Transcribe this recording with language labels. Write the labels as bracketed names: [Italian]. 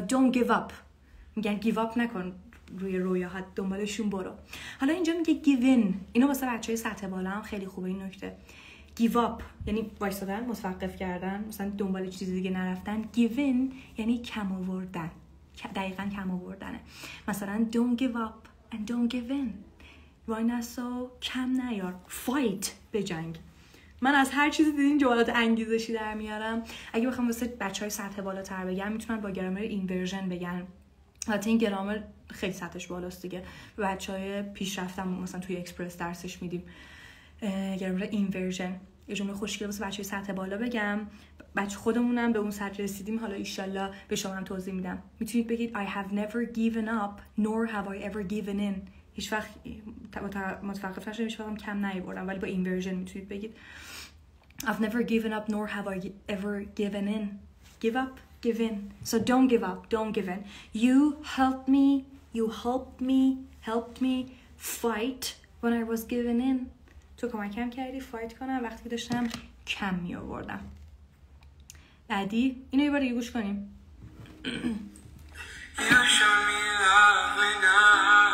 [English] don't give up [Persian] میگن give up نکن روی رویاهات، دنبالشون برو. حالا اینجا میگه give in، اینو واسه بچه های سطح بالا هم خیلی خوبه این نکته. give up یعنی وایستادن، متوقف کردن، مثلا دنبال چیز دیگه نرفتن. give in یعنی کم آوردن، دقیقا کم آوردنه. [English] مثلا don't give up and don't give in. [Persian] وای نسا کم نیار، فایت به جنگ. من از هر چیزی دیدین جملات انگیزشی در میارم. اگه بخوام واسه بچهای سطح بالاتر بگم میتونم با گرامر اینورژن بگم. البته این گرامر خیلی سطحش بالاست دیگه. بچهای پیشرفتم مثلا توی اکسپرس درسش میدیم. گرامر اینورژن. یه جمله خوشگل واسه بچهای سطح بالا بگم. بچه خودمونم به اون سطح رسیدیم، حالا ایشالله به شما هم توضیح میدم. میتونید بگید [English] I have never given up nor have I ever given in. [Persian] هیچ وقت متوقف نشدم، هیچ وقت هم کم نیاوردم، ولی با این ورژن میتونید بگید [English] I've never given up nor have I ever given in. Give up, give in. So don't give up, don't give in. You helped me fight when I was given in. [Persian] تو کمکم کردی فایت کنم وقتی که داشتم کم میاوردم. بعدی اینو یه بار دیگه گوش کنیم. [English] You show me love when I